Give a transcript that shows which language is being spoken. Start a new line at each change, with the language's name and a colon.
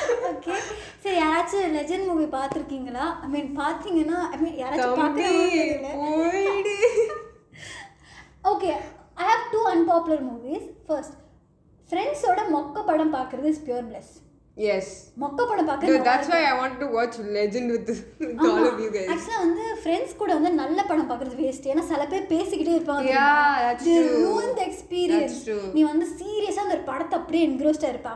Tamil: Okay, சரி, யாராச்சும் legend movie பாத்திருக்கீங்களா? ஐ மீன் பாத்தீங்கன்னா, ஐ மீன் யாராச்சும் பாத்தீங்கன்னா.
English: Okay, I have two unpopular movies.
Tamil: First, ஃப்ரெண்ட்ஸோட மொக்க படம் பாக்குறது
English: Is pure bliss. Yes.
Tamil: மொக்கை படம் பார்க்கறது.
English: That's why I want to watch Legend with all of you guys.
Tamil: அச்சா வந்து friends கூட வந்து நல்ல படம் பார்க்கறது வேஸ்ட். ஏன்னா சில பேர் பேசிக்கிட்டே இருப்பாங்க.
English: Yeah, that's true. You ruin the experience. That's true.
Tamil: நீ வந்து சீரியஸா அந்த படத்தை அப்படியே என்கிரோஸ்டா இருப்ப.